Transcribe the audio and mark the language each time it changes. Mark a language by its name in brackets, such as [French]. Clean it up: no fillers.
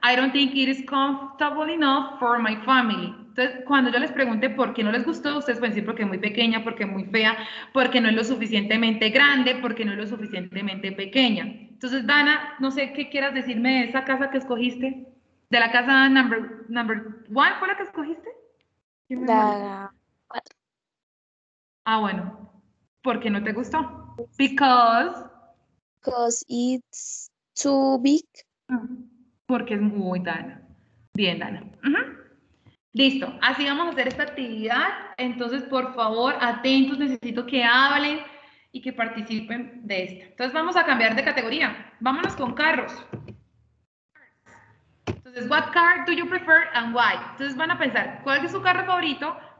[English] I don't think it is comfortable enough for my family. [Spanish] Entonces, cuando yo les pregunte por qué no les gustó, ustedes pueden decir porque es muy pequeña, porque es muy fea, porque no es lo suficientemente grande, porque no es lo suficientemente pequeña. Entonces, Dana, no sé qué quieras decirme de esa casa que escogiste. ¿De la casa [English] number one [Spanish] fue la que escogiste? La 4. Ah, bueno. ¿Por qué no te gustó? Because [English] it's too big. [Spanish] Porque es muy Dana. Bien, Dana. Listo, así vamos a hacer esta actividad. Entonces, por favor, atentos, necesito que hablen y que participen de esta. Entonces, vamos a cambiar de categoría. Vámonos con carros. [English] Entonces, what car do you prefer and why? [Spanish] Entonces, van a pensar, ¿cuál es su carro favorito?